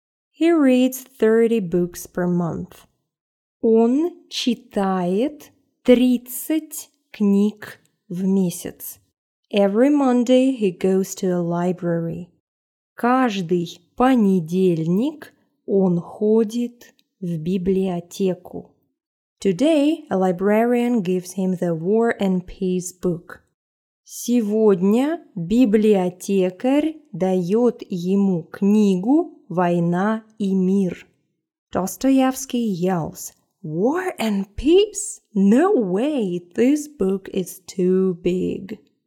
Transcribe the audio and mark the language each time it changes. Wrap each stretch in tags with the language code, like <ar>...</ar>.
<en>He reads 30 books per month.</en> <ru>Он читает 30 книг в месяц.</ru> <en>Every Monday he goes to a library.</en> <ru>Каждый понедельник он ходит в библиотеку.</ru> <en>Today a librarian gives him the War and Peace book.</en> <ru>Сегодня библиотекарь дает ему книгу «Война и мир».</ru> <en>Достоевский yells, «War and Peace? No way! This book is too big!»</en>